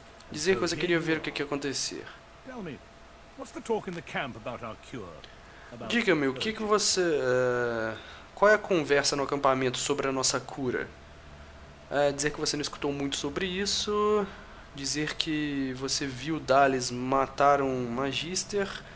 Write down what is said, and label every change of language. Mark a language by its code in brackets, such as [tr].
[pt] Dizer que você queria ver o que ia acontecer. [en] Tell me, what's the talk in the camp about our cure? [pt] Diga-me, o que você. Qual é a conversa no acampamento sobre a nossa cura? Dizer que você não escutou muito sobre isso. Dizer que você viu Dallas matar um magister.